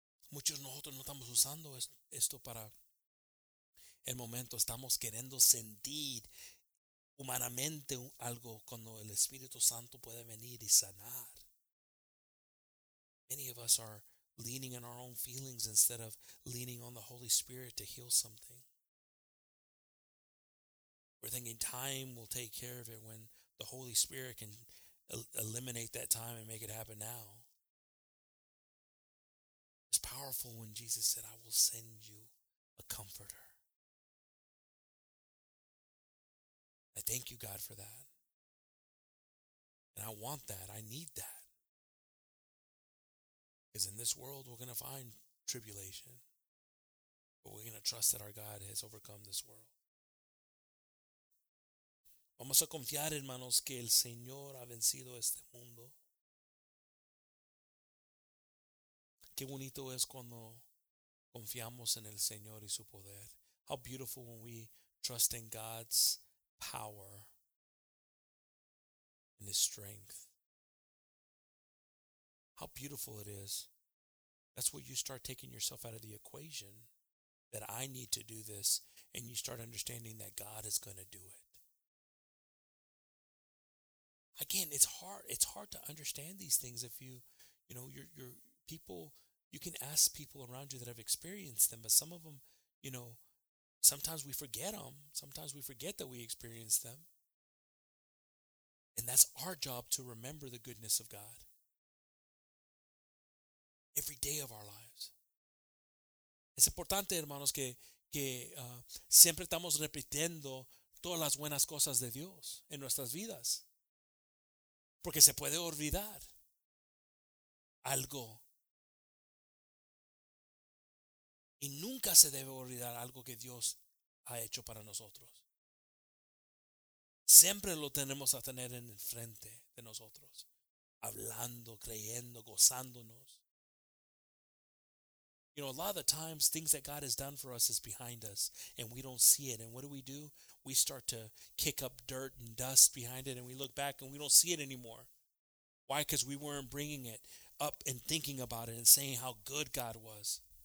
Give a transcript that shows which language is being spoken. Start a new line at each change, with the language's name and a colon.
Spanish: Muchos de nosotros no estamos usando esto para el momento. Estamos queriendo sentir humanamente algo cuando el Espíritu Santo puede venir y sanar.
English: Many of us are leaning on our own feelings instead of leaning on the Holy Spirit to heal something. We're thinking time will take care of it when the Holy Spirit can eliminate that time and make it happen now. It's powerful when Jesus said, I will send you a comforter. I thank you, God, for that. And I want that. I need that. Because in this world, we're going to find tribulation. But we're going to trust that our God has overcome this world.
Spanish: Vamos a confiar, hermanos, que el Señor ha vencido este mundo. Qué bonito es cuando confiamos en el Señor y su poder.
English: How beautiful when we trust in God's power and his strength. How beautiful it is. That's where you start taking yourself out of the equation that I need to do this, and you start understanding that God is going to do it. Again, it's hard. It's hard to understand these things if you're people. You can ask people around you that have experienced them, but some of them, you know, sometimes we forget them. Sometimes we forget that we experienced them. And that's our job, to remember the goodness of God every day of our lives.
Spanish: Es importante, hermanos, que siempre estamos repitiendo todas las buenas cosas de Dios en nuestras vidas. Porque se puede olvidar algo. Y nunca se debe olvidar algo que Dios ha hecho para nosotros. Siempre lo tenemos a tener en el frente de nosotros, hablando, creyendo, gozándonos.
English: You know, a lot of the times, things that God has done for us is behind us, and we don't see it. And what do? We start to kick up dirt and dust behind it, and we look back, and we don't see it anymore. Why? Because we weren't bringing it up and thinking about it and saying how good God was.